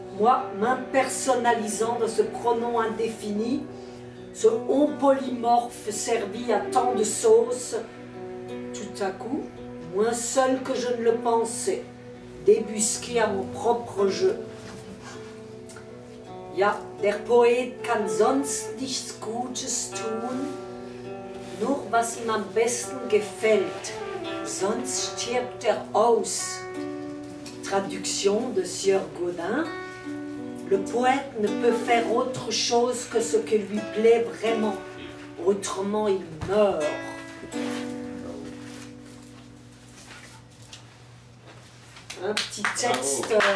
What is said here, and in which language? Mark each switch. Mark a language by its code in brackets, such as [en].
[fr] moi, m'impersonnalisant dans ce pronom indéfini, ce on polymorphe servi à tant de sauces, tout à coup, moins seul que je ne le pensais, débusqué à mon propre jeu. [de] Ja, der Poet kann sonst nichts Gutes tun, nur was ihm am besten gefällt, sonst stirbt aus. [fr] Traduction de Sieur Godin. Le poète ne peut faire autre chose que ce que lui plaît vraiment, autrement il meurt. Un petit texte.